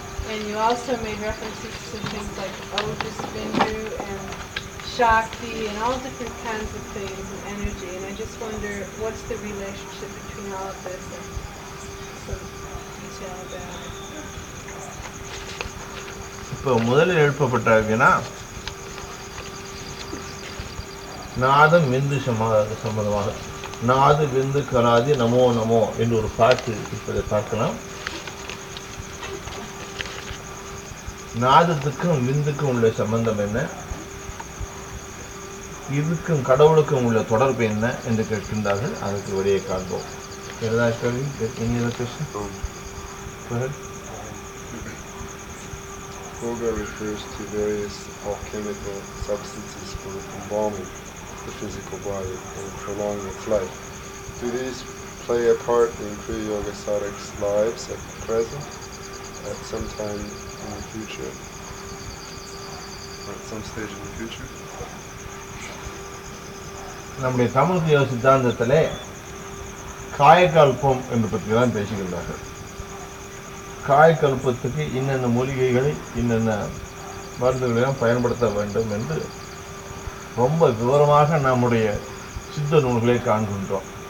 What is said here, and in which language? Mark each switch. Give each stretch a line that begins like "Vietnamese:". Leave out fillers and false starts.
English: And you also made references to things like Otis Bindu and Shakti and all different kinds of things and energy. And I just wonder, what's the relationship between all of this and some detail about it?
Tamil: இப்போ முதலில் எழுப்பப்பட்டார்கள்னா நாதம் விந்து சம்பந்தமாக நாது விந்து கலாதி நமோ நமோ என்று ஒரு பாட்டு இருப்பதை பார்க்கலாம். நாதத்துக்கும் விந்துக்கும் உள்ள சம்பந்தம் என்ன, இதுக்கும் கடவுளுக்கும் உள்ள தொடர்பு என்ன என்று கேட்கின்றார்கள். அதற்கு வெளியே காண்போம்.
English: Koga refers to various alchemical substances for embalming the physical body and prolonging its life. Do these play a part in Kriya Yoga Sadhak's lives at the present, at some time in the future, at some stage in the future?
Tamil: நம்முடைய தமிழ் கிரிய சித்தாந்தத்திலே காயக்கல்பம் என்று பற்றியெல்லாம் பேசுகின்றார்கள். காயக்கல்பத்துக்கு இன்னென்ன மூலிகைகளை இன்னென்ன மருந்துகளையும் பயன்படுத்த வேண்டும் என்று ரொம்ப விவரமாக நம்முடைய சித்த நூல்களை காண்கின்றோம்.